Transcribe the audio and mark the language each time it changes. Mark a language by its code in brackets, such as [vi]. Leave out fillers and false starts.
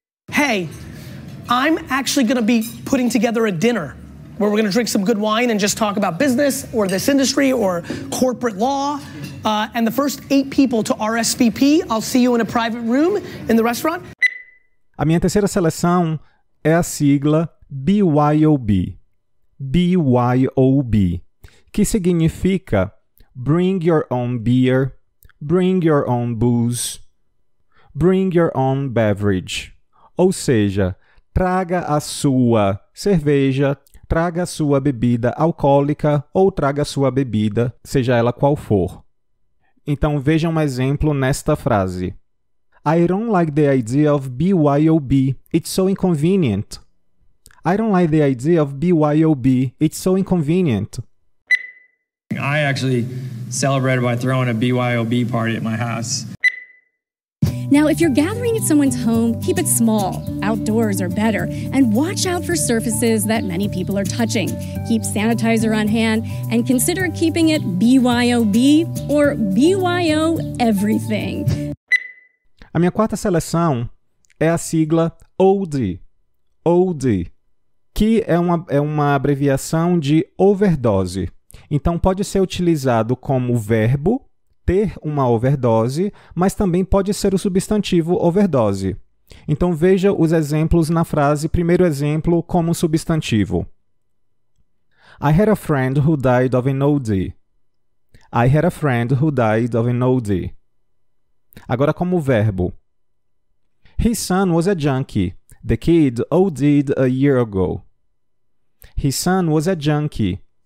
[en] Hey, I'm actually going to be putting together a dinner where we're gonna drink some good wine and just talk about business or this industry or corporate law. And the first 8 people to RSVP, I'll see you in a private room in the restaurant. [pt] A minha terceira seleção é a sigla BYOB. [en] BYOB, [pt] que significa [en] bring your own beer, bring your own booze, bring your own beverage. [pt] Ou seja, traga a sua cerveja, traga a sua bebida alcoólica ou traga a sua bebida, seja ela qual for. Então, veja um exemplo nesta frase. [en] I don't like the idea of BYOB. It's so inconvenient. I don't like the idea of BYOB. It's so inconvenient. I actually celebrated by throwing a BYOB party at my house. Now, if you're gathering at someone's home, keep it small. Outdoors are better. And watch out for surfaces that many people are touching. Keep sanitizer on hand and consider keeping it BYOB or BYO everything. [pt] A minha quarta seleção é a sigla OD. OD. Que é uma abreviação de overdose. Então, pode ser utilizado como verbo ter uma overdose, mas também pode ser o substantivo overdose. Então, veja os exemplos na frase, primeiro exemplo, como substantivo. [en] I had a friend who died of an OD. I had a friend who died of an OD. [pt] Agora, como verbo. [en] His son was a junkie. The kid OD'd a year ago. His son was a junkie.